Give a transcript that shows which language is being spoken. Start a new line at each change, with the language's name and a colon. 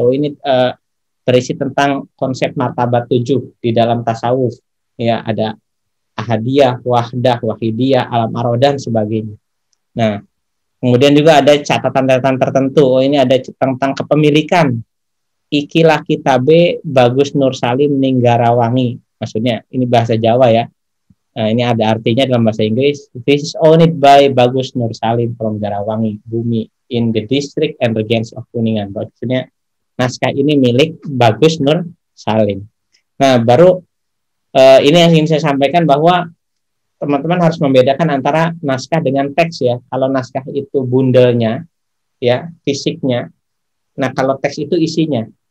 Indonesian: Oh ini berisi tentang konsep martabat 7 di dalam tasawuf, ya, ada ahadiyah, wahdah, wahidiyah, alam arwah dan sebagainya. Nah, kemudian juga ada catatan-catatan tertentu. Oh ini ada tentang kepemilikan.
Javanese: Ikilah kitabe Bagus Nur Salim Ninggarawangi.
Indonesian: Maksudnya ini bahasa Jawa ya. Nah, ini ada artinya dalam bahasa Inggris.
English: This is owned by Bagus Nur Salim from Garawangi, bumi in the district and regency of Kuningan.
Indonesian: Maksudnya naskah ini milik Bagus Nur Salim. Nah, baru ini yang ingin saya sampaikan bahwa teman-teman harus membedakan antara naskah dengan teks ya. Kalau naskah itu bundelnya ya, fisiknya. Nah, kalau teks itu isinya.